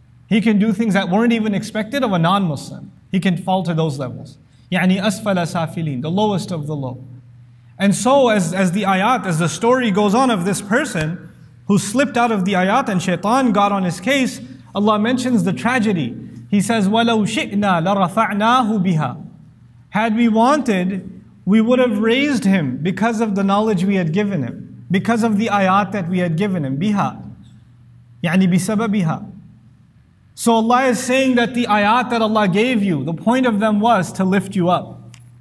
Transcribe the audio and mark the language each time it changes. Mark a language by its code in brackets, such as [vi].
[en] He can do things that weren't even expected of a non-Muslim. He can fall to those levels. [ar] يعني أسفل سافلين, [en] the lowest of the low. And so as the ayat, as the story goes on of this person who slipped out of the ayat and Shaitan got on his case, Allah mentions the tragedy. He says, [ar] وَلَوْ شِئْنَا لَرَفَعْنَاهُ بِهَا. [en] Had we wanted, we would have raised him because of the knowledge we had given him, because of the ayat that we had given him. [ar] بِهَا يعني بِسَبَبِهَا. [en] So Allah is saying that the ayat that Allah gave you, the point of them was to lift you up.